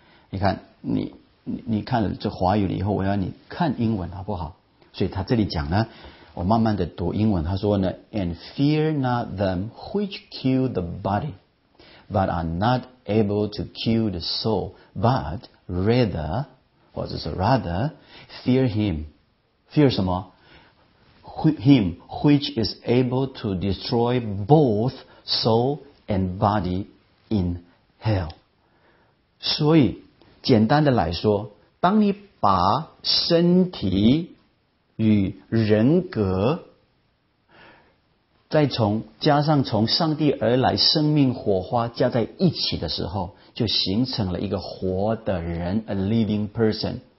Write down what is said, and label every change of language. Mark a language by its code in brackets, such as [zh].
[zh] 你看，你看了这华语了以后，我要你看英文好不好？所以他这里讲呢，我慢慢的读英文，他说呢 ， [en] And fear not them which kill the body。 But are not able to kill the soul, but rather, [zh] 或者是 [en] rather, fear him. Fear [zh] 什么？ [en] Him which is able to destroy both soul and body in hell. [zh] 所以，简单的来说，当你把身体与人格再加上上帝而来生命火花加在一起的时候，就形成了一个活的人 ， [en] a living person。